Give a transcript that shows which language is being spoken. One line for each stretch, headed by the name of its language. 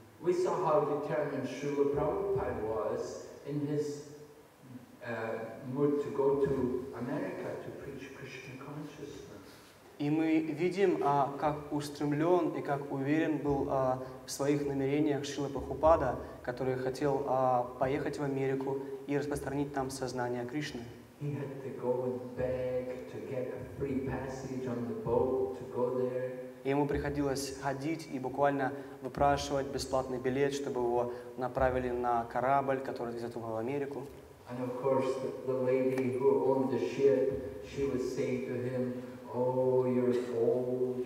English: We saw how determined Srila Prabhupada was in his mood to go to America to preach Krishna consciousness.
Russian: И мы видим, как устремлен и как уверен был в своих намерениях Шрила Прабхупада, который хотел поехать в Америку и распространить там сознание Кришны.
English: He had to go and beg to get a free passage on the boat to go there.
Russian: И ему приходилось ходить и буквально выпрашивать бесплатный билет, чтобы его направили на корабль, который везет его в Америку.
English: And of course, the lady who owned the ship, she was saying to him, "Oh, you're old.